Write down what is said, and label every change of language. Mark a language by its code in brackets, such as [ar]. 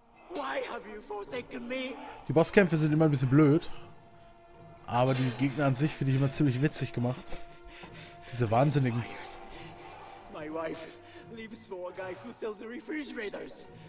[en] Why have you forsaken me? [de] Die Bosskämpfe sind immer ein bisschen blöd. Aber die Gegner an sich finde ich immer ziemlich witzig gemacht. Diese wahnsinnigen. [en] My wife. Lives for a guy who sells the refrigerators.